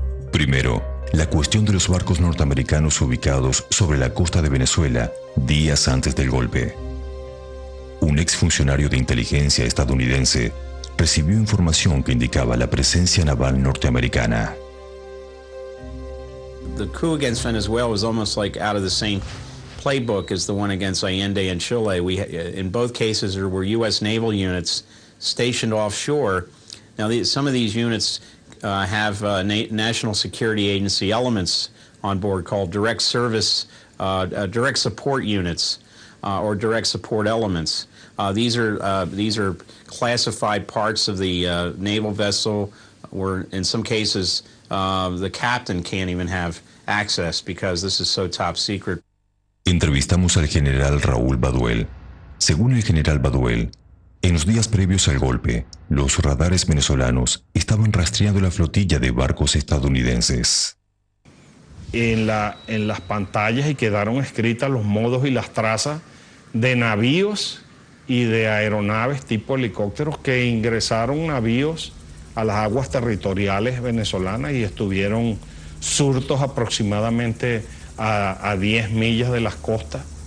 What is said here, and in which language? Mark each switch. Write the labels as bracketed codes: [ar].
[es] Primero, la cuestión de los barcos norteamericanos ubicados sobre la costa de Venezuela días antes del golpe. Un exfuncionario de inteligencia estadounidense recibió información que indicaba la presencia naval norteamericana. [en] The coup against Venezuela was almost like out of the same playbook as the one against Allende in Chile. We, in both cases, there were U.S. naval units stationed offshore. Now, some of these units have national security agency elements on board called direct service, direct support units, or direct support elements. These are classified parts of the naval vessel, or in some cases, the captain can't even have access because this is so top secret. [es] Entrevistamos al general Raúl Baduel. Según el general Baduel, en los días previos al golpe, los radares venezolanos estaban rastreando la flotilla de barcos estadounidenses. En las pantallas y quedaron escritas los modos y las trazas de navíos y de aeronaves tipo helicópteros que ingresaron navíos a las aguas territoriales venezolanas y estuvieron surtos aproximadamente a 10 millas de las costas.